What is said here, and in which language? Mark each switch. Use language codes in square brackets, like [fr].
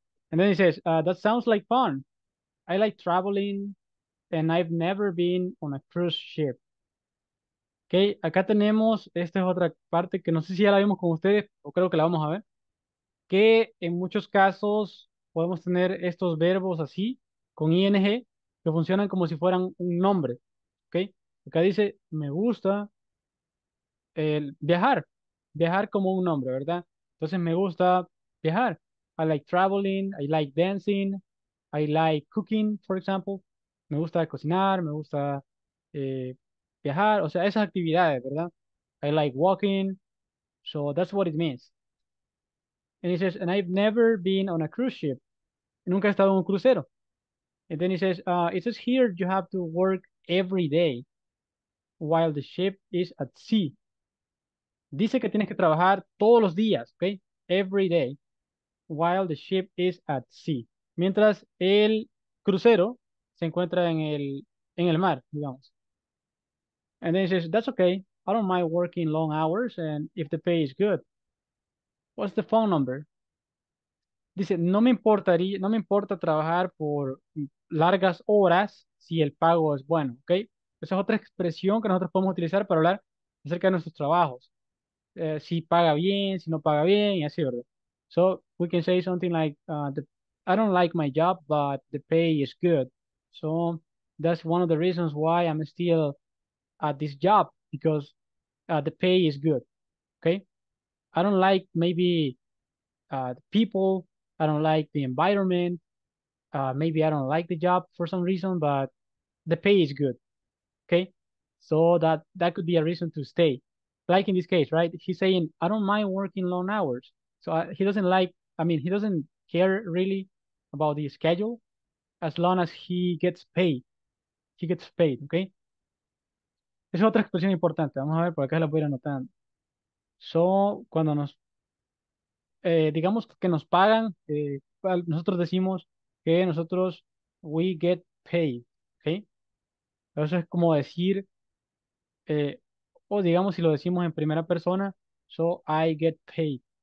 [en] And then he says, that sounds like fun. I like traveling and I've never been on a cruise ship. [es] Ok, acá tenemos, esta es otra parte que no sé si ya la vimos con ustedes o creo que la vamos a ver. Que en muchos casos podemos tener estos verbos así, con ing, que funcionan como si fueran un nombre. Ok, acá dice, me gusta el viajar. Viajar como un nombre, ¿verdad? Entonces, me gusta viajar. [en] I like traveling. I like dancing. I like cooking, for example. [es] Me gusta cocinar. Me gusta viajar. O sea, esas actividades, ¿verdad? [en] I like walking. So, that's what it means. And he says, and I've never been on a cruise ship. [es] Nunca he estado en un crucero. [en] And then he says, it says here you have to work every day while the ship is at sea. [es] Dice que tienes que trabajar todos los días, ¿ok? [en] Every day, while the ship is at sea. [es] Mientras el crucero se encuentra en el mar, digamos. [en] And then he says, that's okay. I don't mind working long hours and if the pay is good. What's the phone number? [es] Dice, no me importa trabajar por largas horas si el pago es bueno, ¿ok? Esa es otra expresión que nosotros podemos utilizar para hablar acerca de nuestros trabajos. Si paga bien, si no paga bien, y así, ¿verdad? [en] So, we can say something like, I don't like my job, but the pay is good. So, that's one of the reasons why I'm still at this job, because the pay is good, okay? I don't like maybe the people, I don't like the environment, maybe I don't like the job for some reason, but the pay is good, okay? So, that could be a reason to stay. Like in this case, right? He's saying, I don't mind working long hours. So he doesn't care really about the schedule as long as he gets paid. He gets paid, okay? [es] Es otra expresión importante. Vamos a ver, por acá la voy a ir anotando. So, cuando nos, digamos que nos pagan, nosotros decimos que nosotros, [en] we get paid, okay? [es] Eso es como decir, o digamos si lo decimos en primera persona, [en] so I get paid.